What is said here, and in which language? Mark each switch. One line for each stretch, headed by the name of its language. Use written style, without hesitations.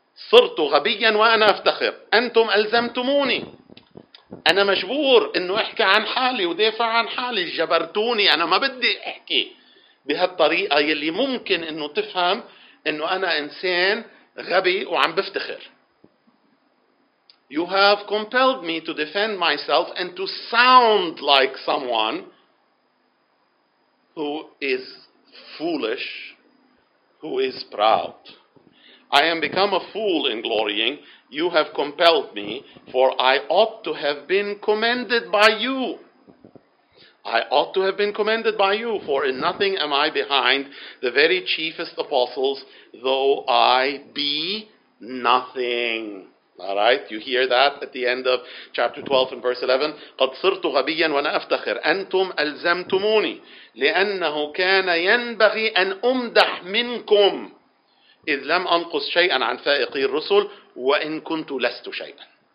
Arabic: صرت غبيا وأنا أفتخر. أنتم ألزمتموني، أنا مجبور إنه أحكي عن حالي ودافع عن حالي، جبرتوني، أنا ما بدي أحكي بهالطريقة يلي ممكن إنه تفهم إنه أنا إنسان غبي وعم بفتخر.
English: You have compelled me to defend myself and to sound like someone who is foolish, who is proud. I am become a fool in glorying. You have compelled me, for I ought to have been commended by you. I ought to have been commended by you, for in nothing am I behind the very chiefest apostles, though I be nothing. All right, you hear that at the end of chapter 12 and verse 11.
Arabic: قد صرت غبيا وانا افتخر. انتم الزمتموني لانه كان ينبغي ان امدح منكم اذ لم انقص شيئا عن فائقي الرسل وان كنت لست شيئا.